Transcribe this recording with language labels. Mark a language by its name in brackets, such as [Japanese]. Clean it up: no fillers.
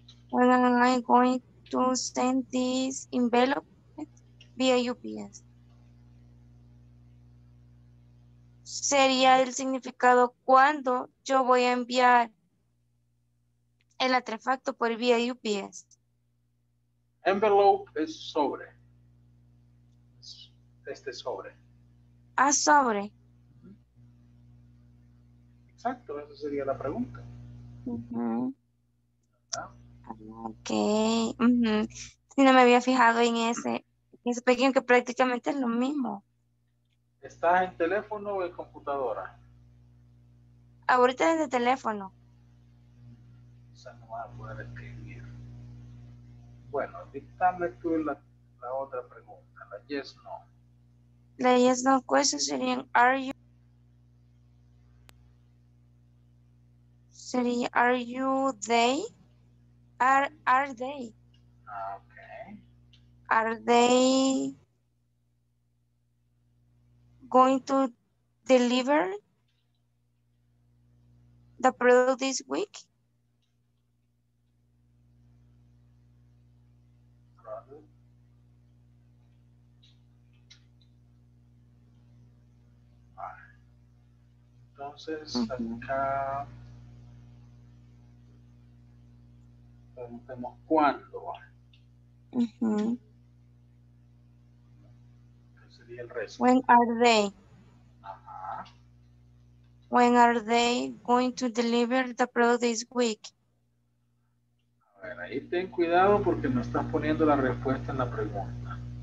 [English] When am I going to send this envelope via UPS? [Spanish] Sería el significado cuando yo voy a enviar el artefacto por vía UPS. Envelope es sobre. Este sobre. A sobre. Exacto, esa sería la pregunta. Ok. Si no me había fijado en ese pequeño, que prácticamente es lo mismo. ¿Estás en teléfono o en computadora? Ahorita es de teléfono. O sea, no vas a poder escribir. Bueno, dictame tú la otra pregunta, la yes no. [English] La yes no question [Spanish] sería [English] are you, sería are you they, are they, okay, are they going to deliver the product this week? [Spanish] Entonces, acá preguntemos cuándo. Sería el resto. [English] When are they? Ajá. When are they going to deliver the product this week? [Spanish] A ver, ahí ten cuidado porque no estás poniendo la respuesta en la pregunta.